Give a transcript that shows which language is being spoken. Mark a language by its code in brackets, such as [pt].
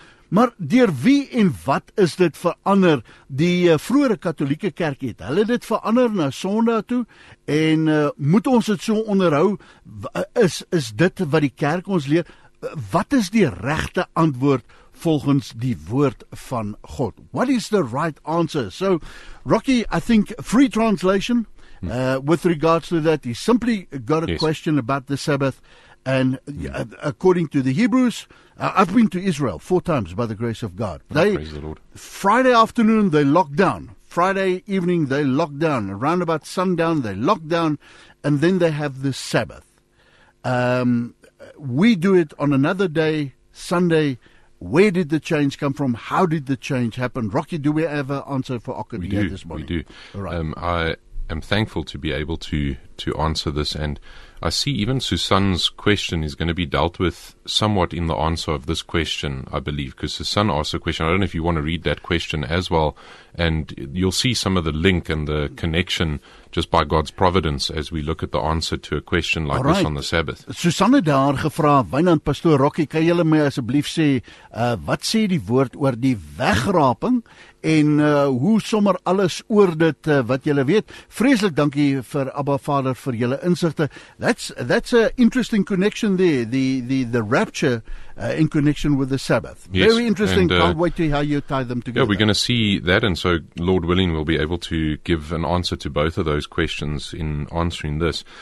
[af] Maar deur wie en wat is dit verander? Die vroeë katolieke kerk het hulle dit verander na Sondag toe en moet ons dit so onderhou? Is dit wat die kerk ons leer? Wat is die regte antwoord volgens die woord van God? [en] What is the right answer? So, Rocky, I think free translation with regards to that, he simply got a yes. question about the Sabbath. And according to the Hebrews, I've been to Israel 4 times by the grace of God. They, praise the Lord. Friday afternoon, they locked down. Friday evening, they locked down. Around about sundown, they locked down. And then they have the Sabbath. We do it on another day, Sunday. Where did the change come from? How did the change happen? Rocky, do we have an answer for Ockham here this morning? We do. All right. I am thankful to be able to answer this and I see even Susan's question is going to be dealt with somewhat in the answer of this question, I believe, because Susan asked a question. I don't know if you want to read that question as well, and you'll see some of the link and the connection just by God's providence as we look at the answer to a question like right. this on the Sabbath. [af] Susan het daar gevra, Wynand Pastoor Rocky, kan julle my asseblief sê, wat sê die woord oor die wegraping en hoe sommer alles oor dit wat julle weet? Vreeslik dankie vir Abba Vader vir julle insigte. [en] That's an interesting connection there, the rapture in connection with the Sabbath. Yes. Very interesting. And, can't wait to how you tie them together. Yeah, we're going to see that, and so Lord willing, we'll be able to give an answer to both of those questions in answering this.